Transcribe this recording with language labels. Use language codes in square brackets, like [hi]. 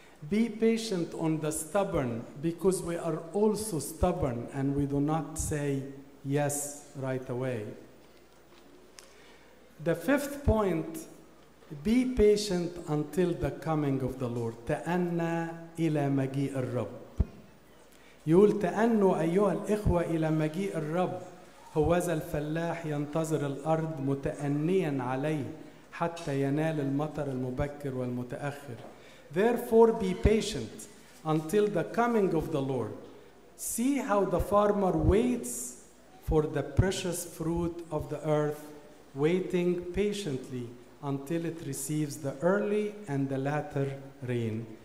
[en] Be patient on the stubborn, because we are also stubborn and we do not say yes right away. The fifth point, be patient until the coming of the Lord. [ar] تأنى إلى مجيء الرب. يقول تأنوا أيها الإخوة إلى مجيء الرب. هو ذا الفلاح ينتظر الأرض متأنيا عليه حتى ينال المطر المبكر والمتأخر. [en] Therefore be patient until the coming of the Lord. See how the farmer waits for the precious fruit of the earth, waiting patiently until it receives the early and the latter rain.